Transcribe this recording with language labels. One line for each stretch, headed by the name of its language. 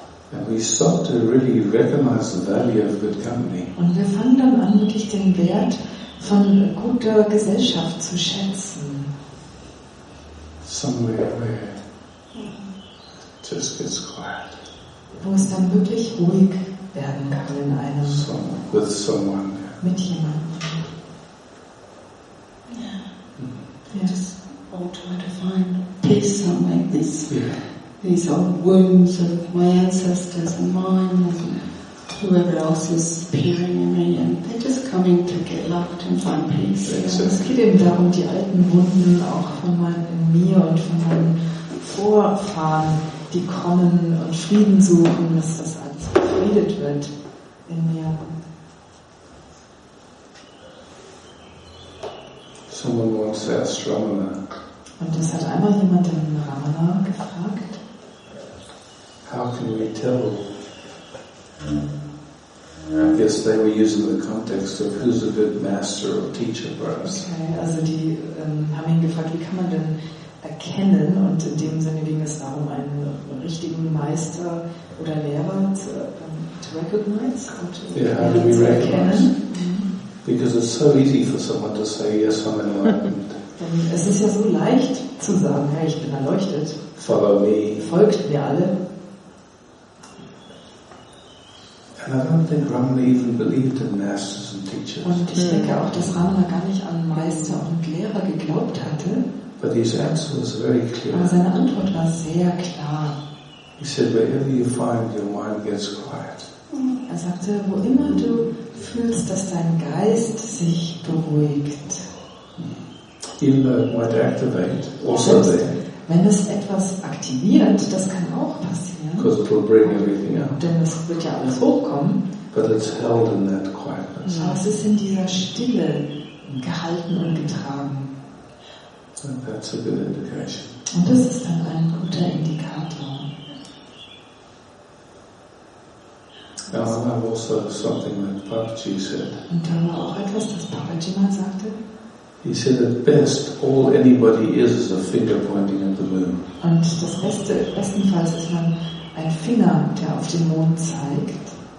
English: And we start to really recognize the value of good company.
German: Und wir fangen dann an, wirklich den Wert von guter Gesellschaft zu schätzen.
English: Somewhere where it just gets quiet.
German: Wo es dann wirklich ruhig werden kann in einem.
English: With someone.
German: Mit jemandem.
English: Yeah. Yeah. Just all try to find peace somewhere like this. Yeah. These old wounds of my ancestors and mine and whoever else is peering at me, and they're just coming to get loved and find peace. Yeah.
German: Yeah. Es geht eben darum, die alten Wunden auch von mir und von meinen Vorfahren, die kommen und Frieden suchen, dass das alles befriedet wird in mir.
English: Someone wants to ask Ramana.
German: Und das hat einmal jemand den Ramana gefragt.
English: How can we tell? I guess they were using the context of who's a good master or teacher for us.
German: Okay, also die haben ihn gefragt, wie kann man denn erkennen, und in dem Sinne ging es darum, einen richtigen Meister oder Lehrer zu recognize und zu erkennen.
English: Because it's so easy for someone to say, yes, I'm enlightened.
German: Es ist ja so leicht zu sagen, hey, ich bin erleuchtet.
English: Follow me.
German: Folgt mir alle.
English: And I don't think Ramana even believed in masters and teachers.
German: Und ich denke auch, dass Ramana gar nicht an Meister und Lehrer geglaubt hatte.
English: But his answer was very clear.
German: Aber seine Antwort war sehr klar.
English: He said, wherever you find, your mind gets quiet.
German: Er sagte, wo immer du fühlst, dass dein Geist sich beruhigt.
English: Even though it might activate, also there.
German: Wenn es etwas aktiviert, das kann auch passieren.
English: Because it will bring everything up.
German: Denn es wird ja alles hochkommen.
English: But it's held in that quietness.
German: Ja, es ist in dieser Stille gehalten und getragen.
English: And that's a good indication.
German: Und das ist dann ein guter Indikator.
English: And I have also something that Papaji said.
German: Und da war auch etwas, das Papaji mal sagte.
English: He said, at best, all anybody is a finger pointing at the moon.
German: Und das Beste, bestenfalls ist man ein Finger, der auf den Mond zeigt.